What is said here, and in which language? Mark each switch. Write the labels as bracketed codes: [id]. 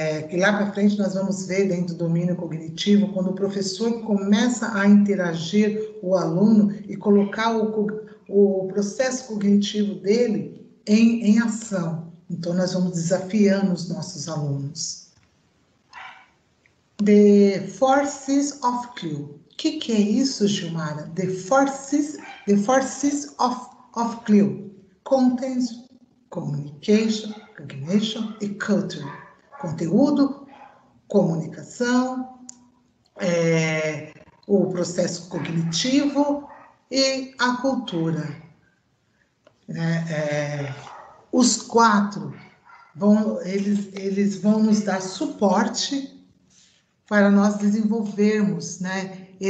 [pt] Que lá para frente nós vamos ver dentro do domínio cognitivo, quando o professor começa a interagir o aluno e colocar o processo cognitivo dele em ação. Então nós vamos desafiando os nossos alunos. [en] The Forces of Clio. [pt] O que é isso, Gilmara? [en] The forces of Clio. Content, communication, cognition e culture. [pt] Conteúdo, comunicação, o processo cognitivo e a cultura. Os quatro vão, eles vão nos dar suporte para nós desenvolvermos, né?